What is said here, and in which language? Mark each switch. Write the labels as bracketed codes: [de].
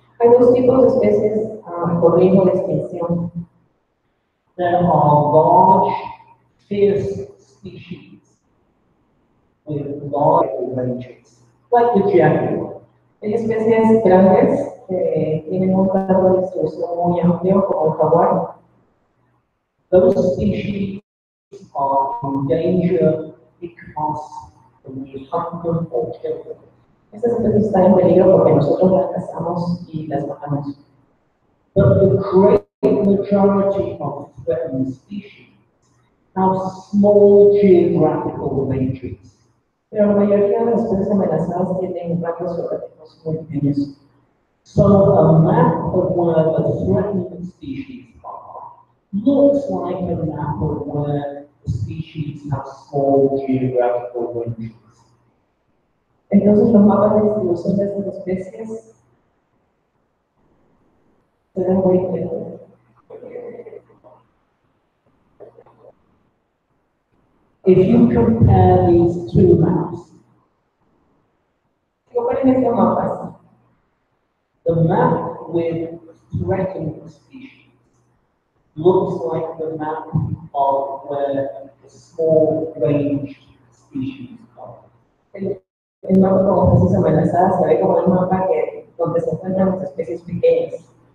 [es] Hay dos tipos de especies por riesgo de extinción. [en] There are large, fierce species with large ranges, like the jaguar. [es] Hay especies grandes que tienen un rango de distribución muy amplio, como el jaguar. [en] Those species are in danger because we hunt them or kill them. [es] Estas especies están en peligro porque nosotros las cazamos y las matamos. [en] But the great majority of threatened species have small geographical ranges. [es] Pero la mayoría de las especies amenazadas tienen rangos geográficos muy pequeños. [en] So a map of one of the threatened species looks like a map of where the species have small geographical ranges. [es] Entonces los mapas de distribución de estas especies se ven muy diferentes. [en] If you compare these two maps, [es] ¿comparen estos mapas? [en] The map with threatened species looks like the map of where the small range species are. [es] El mapa con especies amenazadas se ve como el mapa que donde se encuentran las especies pequeñas.